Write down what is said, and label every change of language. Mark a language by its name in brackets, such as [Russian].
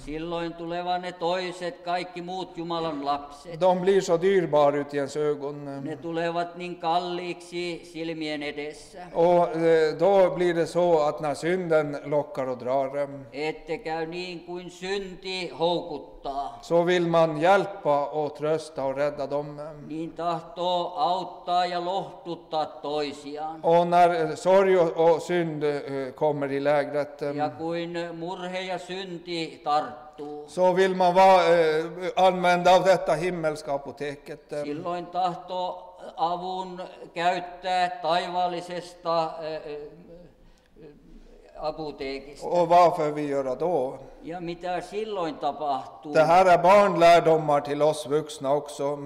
[Finnish] Silloin tulevat ne toiset, kaikki muut Jumalan lapset. [Swedish] De blir så dyrbara ut i ens ögon. [Finnish] Ne tulevat niin kalliiksi silmien edessä. [Swedish] Och då blir det så att när synden lockar och drar. [Finnish] Ette käy niin kuin synti houkuttaa. [Swedish] Så vill man hjälpa och trösta och rädda dem. [Finnish] Niin tahtoo auttaa ja lohtuttaa toisiaan. [Swedish] Och när sorg och synd kommer i lägret. [Finnish] Ja kuin murhe ja synti tarttuu. [Swedish] Så vill man vara använda av detta himmelska apoteket. [Finnish] Silloin tahto avun käyttää taivaallisesta apoteekista. [Swedish] Och varför vi gör då? [Finnish] Ja mitä silloin tapahtuu? [Swedish] Det här är barnlärdomar till oss vuxna också.